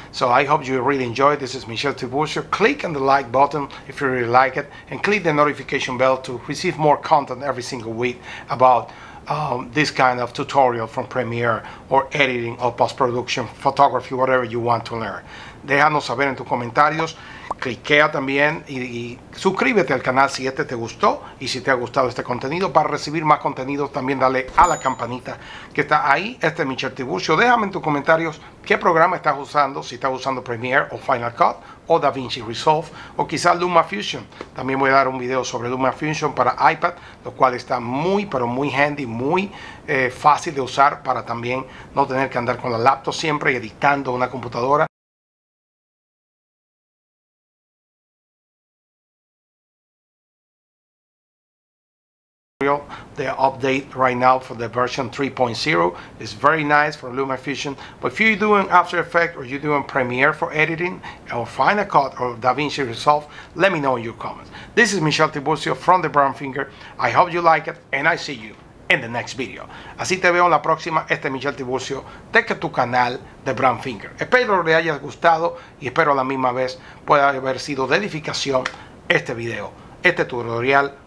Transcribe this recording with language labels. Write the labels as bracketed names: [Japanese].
[English] So I hope you really enjoy it. This is Michel Tiburcio. Click on the like button if you really like it and click the notification bell to receive more content every single week about this kind of tutorial from Premiere or editing or post-production, photography, whatever you want to learn. [Spanish] Déjanos saber en tus comentarios. Cliquea también y suscríbete al canal si este te gustó y si te ha gustado este contenido. Para recibir más contenido también dale a la campanita que está ahí. Este es Michel Tiburcio. Déjame en tus comentarios qué programa estás usando, si estás usando Premiere o Final Cut o DaVinci Resolve o quizás LumaFusion. También voy a dar un video sobre LumaFusion para iPad, lo cual está muy, pero muy handy, muy fácil de usar para también no tener que andar con la laptop siempre editando una computadora. [English] The update right now for the version 3.0 is very nice for LumaFusion, but if you're doing After Effects or you're doing Premiere for editing or Final Cut or DaVinci Resolve, let me know in your comments. This is Michel Tiburcio from The Brown Finger. I hope you like it and I see you in the next video. [Spanish] Así te veo en la próxima. Este es Michel Tiburcio de tu canal The Brown Finger. Espero le haya gustado y espero a la misma vez pueda haber sido de edificación este video, este tutorial